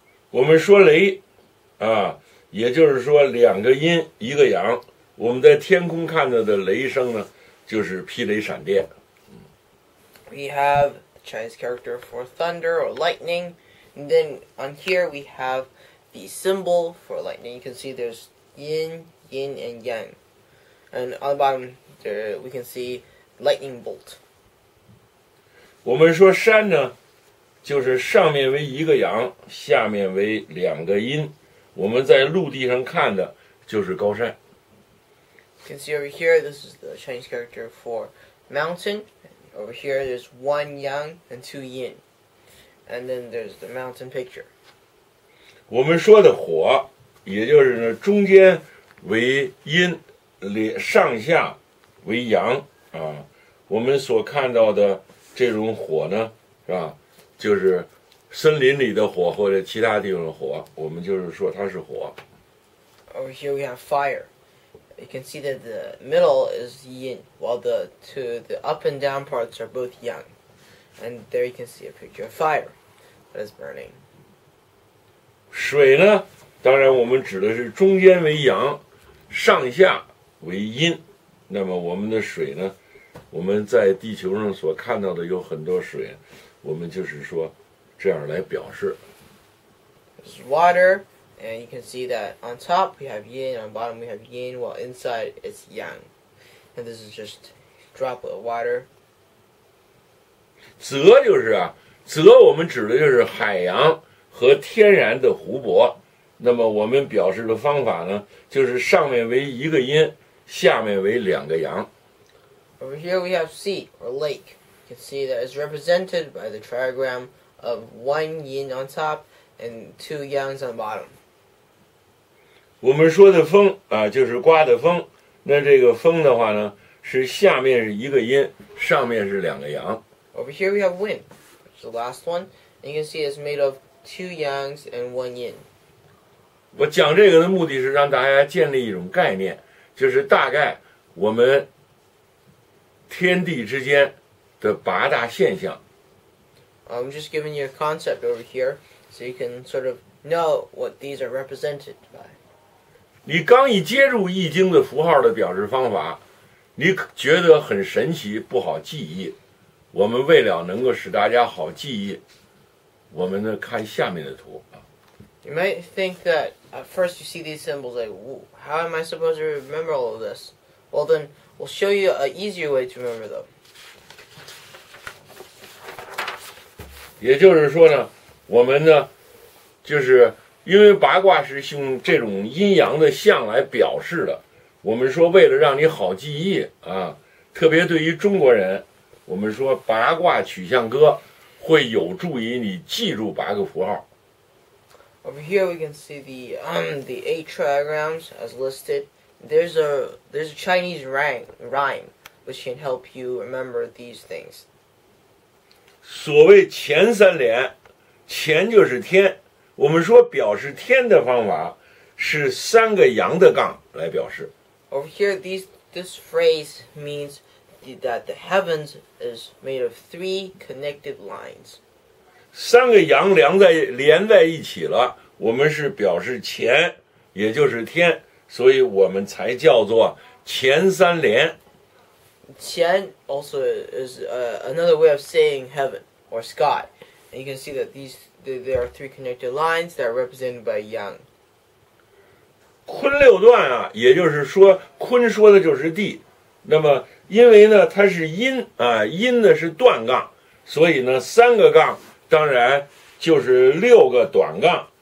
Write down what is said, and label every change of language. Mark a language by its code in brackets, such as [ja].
[zh] 我们说雷，啊。也就是说两个阴一个阳，我们在天空看到的雷声呢就是霹雷闪电。 [en] We have the Chinese character for thunder or lightning, and then on here we have the symbol for lightning. You can see there's yin and yang, and on the bottom there we can see lightning bolt. [zh] 我们说山呢就是上面为一个阳，下面为两个阴，我们在陆地上看的就是高山。 [en] You can see over here, this is the Chinese character for mountain. Over here, there's one yang and two yin. And then there's the mountain picture. [zh] 我们说的火，也就是呢中间为阴，上下为阳啊。我们所看到的这种火呢，是吧？就是森林里的火或者其他地方的火，我们就是说它是火。 [en] Over here we have fire. You can see that the middle is yin, while the up and down parts are both yang. And there you can see a picture of fire that is burning. [zh] 水呢，当然我们指的是中间为阳，上下为阴。那么我们的水呢，我们在地球上所看到的有很多水，我们就是说这样来表示。 [en] This is water, and you can see that on top we have yin, on bottom we have yin, while inside it's yang. And this is just droplet of water. [zh] 泽就是啊，泽我们指的就是海洋和天然的湖泊，那么我们表示的方法呢，就是上面为一个音，下面为两个阳。 [en] Over here we have sea, or lake. You can see that it's represented by the trigram of one yin on top and two yangs on the bottom. [zh] 我们说的风啊，就是刮的风。那这个风的话呢，是下面是一个音，上面是两个阳。 [en] Over here we have wind, which is the last one. And you can see it's made of two yangs and one yin. [zh] 我讲这个的目的是让大家建立一种概念，就是大概我们天地之间的八大现象。 [en] I'm just giving you a concept over here, so you can sort of know what these are represented by. [zh] 你刚一接触易经的符号的表示方法，你觉得很神奇，不好记忆。我们为了能够使大家好记忆，我们呢看下面的图。 [en] You might think that at first you see these symbols like, how am I supposed to remember all of this? Well then, we'll show you an easier way to remember them. [zh] 也就是说呢，我们呢，就是因为八卦是用这种阴阳的象来表示的，我们说为了让你好记忆啊，特别对于中国人，我们说八卦取象歌会有助于你记住八个符号。 [en] Over here we can see the eight trigrams as listed. There's a Chinese rhyme which can help you remember these things. [zh] 所谓前三连，前就是天。我们说表示天的方法是三个阳的杠来表示。 [en] Over here, this phrase means that the heavens is made of three connected lines. [zh] 三个阳连在一起了。我们是表示前，也就是天，所以我们才叫做前三连。 [en] 前 also is another way of saying heaven or sky. And you can see that there are three connected lines that are represented by yang. [zh] 坤六段啊，也就是说坤说的就是地。那么因为呢它是阴啊，阴呢是断杠，所以呢三个杠当然就是六个短杠。